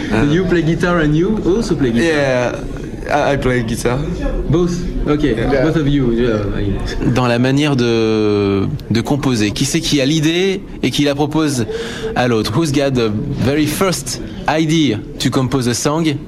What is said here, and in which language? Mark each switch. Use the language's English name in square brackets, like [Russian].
[English] you play guitar and you also play guitar. Yeah, I play guitar. Both. Okay. Yeah. Both of you. [French] Dans la manière de composer, qui c'est qui a l'idée et qui la propose à l'autre? [English] Who's got the very first idea to compose a song?